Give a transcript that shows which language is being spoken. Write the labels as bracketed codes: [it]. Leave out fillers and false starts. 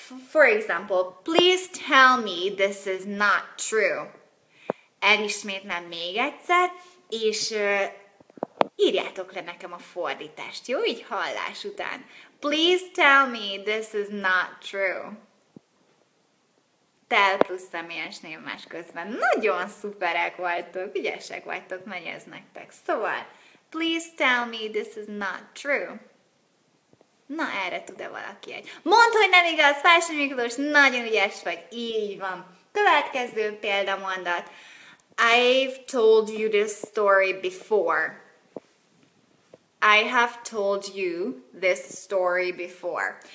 [en] For example, please tell me this is not true. [hu] Elismétlem még egyszer, és írjátok le nekem a fordítást, jó? Így hallás után. [en] Please tell me this is not true. [hu] Tell plusz személyes név más közben. Nagyon szuperek vagytok, ügyesek vagytok, megy ez nektek. [en] Szóval, please tell me this is not true. [hu] Na, erre tud-e valaki egy. Mondd, hogy nem igaz, Fásai Miklós, nagyon ügyes vagy. Így van. Következő példamondat. [en] I've told you this story before. I have told you this story before.